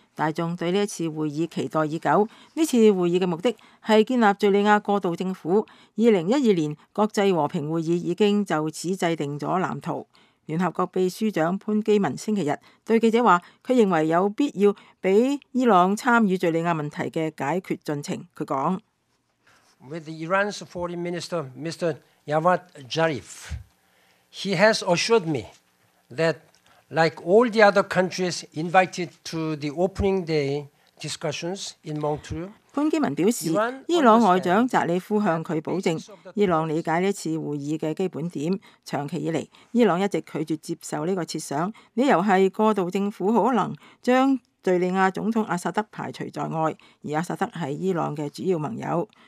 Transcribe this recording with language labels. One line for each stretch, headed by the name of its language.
Chinese: 大众对这次会议期待已久。这次会议的目的是建立叙利亚过渡政府。 2012年国际和平会议已经就此制定了蓝图。联合国秘书长潘基文星期日对记者说，他认为有必要给伊朗参与叙利亚问题的解决进程。他说，
English: With Iran's Foreign Minister, Mr. Javad Zarif, he has assured me that, like all the other countries invited to the opening day discussions in Montreal,
Chinese: 潘基文表示，伊朗外长扎里夫向他保证，伊朗理解这次会议的基本点。长期以来，伊朗一直拒绝接受这个设想，理由是过渡政府可能将叙利亚总统阿萨德排除在外，而阿萨德是伊朗的主要盟友。